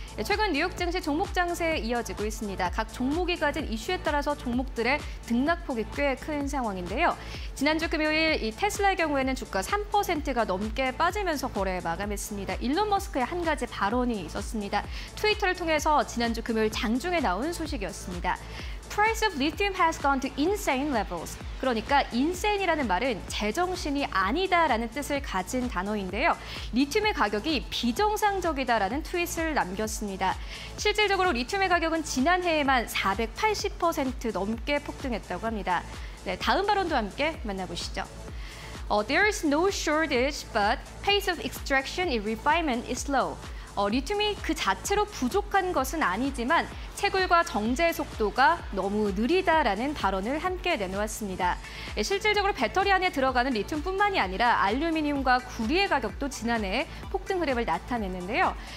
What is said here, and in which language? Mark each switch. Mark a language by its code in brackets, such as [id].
[ko] 최근 뉴욕 증시 종목 장세에 이어지고 있습니다. 각 종목이 가진 이슈에 따라서 종목들의 등락폭이 꽤 큰 상황인데요. 지난주 금요일 이 테슬라의 경우에는 주가 3%가 넘게 빠지면서 거래에 마감했습니다. 일론 머스크의 한 가지 발언이 있었습니다. 트위터를 통해서 지난주 금요일 장중에 나온 소식이었습니다. [en] Price of lithium has gone to insane levels. [ko] 그러니까 insane이라는 말은 제정신이 아니다라는 뜻을 가진 단어인데요. 리튬의 가격이 비정상적이다라는 트윗을 남겼습니다. 실질적으로 리튬의 가격은 지난해에만 480% 넘게 폭등했다고 합니다. 네, 다음 발언도 함께 만나보시죠. [en] There is no shortage, but pace of extraction and refinement is slow. [ko] 리튬이 그 자체로 부족한 것은 아니지만 채굴과 정제 속도가 너무 느리다라는 발언을 함께 내놓았습니다. 실질적으로 배터리 안에 들어가는 리튬뿐만이 아니라 알루미늄과 구리의 가격도 지난해에 폭등 흐름을 나타냈는데요.